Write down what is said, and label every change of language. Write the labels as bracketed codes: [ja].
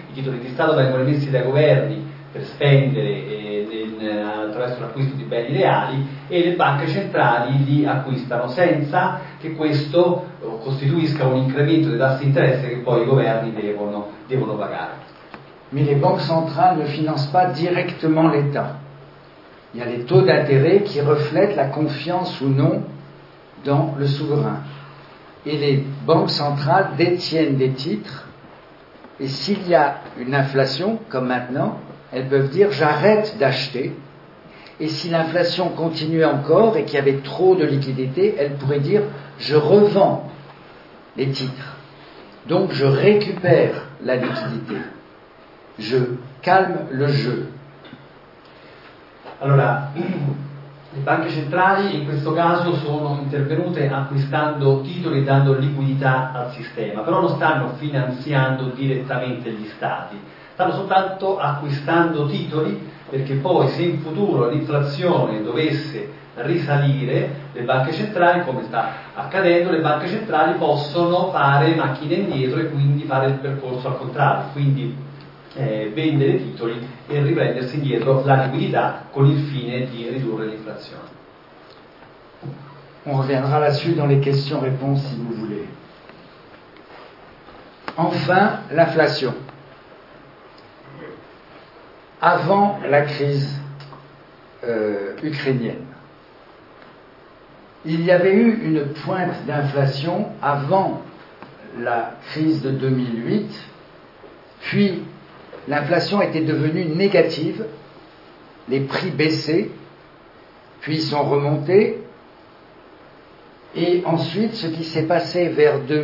[it] I titoli di Stato vengono emessi dai governi per spendere attraverso l'acquisto di beni reali, e le banche centrali li acquistano senza che questo costituisca un incremento dei tassi di interesse che poi i governi devono pagare. [fr] Mais les banques centrales ne financent pas directement l'État. Il y a les taux d'intérêt qui reflètent la confiance ou non dans le souverain. Et les banques centrales détiennent des titres, et s'il y a une inflation, comme maintenant, elles peuvent dire « j'arrête d'acheter ». Et si l'inflation continuait encore et qu'il y avait trop de liquidités, elles pourraient dire « je revends les titres ». Donc je récupère la liquidité. Je calme le jeu. [it] Allora, le banche centrali in questo caso sono intervenute acquistando titoli e dando liquidità al sistema, però non stanno finanziando direttamente gli stati, stanno soltanto acquistando titoli, perché poi se in futuro l'inflazione dovesse risalire, le banche centrali, come sta accadendo, le banche centrali possono fare macchine indietro e quindi fare il percorso al contrario, quindi vendere titoli e riprendersi indietro la liquidità con il fine di ridurre l'inflazione. [fr] On reviendra là-dessus dans les questions-réponses si vous voulez. Enfin, l'inflation. Avant la crise ukrainienne, il y avait eu une pointe d'inflation avant la crise de 2008, puis l'inflation était devenue négative, les prix baissaient, puis sont remontés, et ensuite ce qui s'est passé vers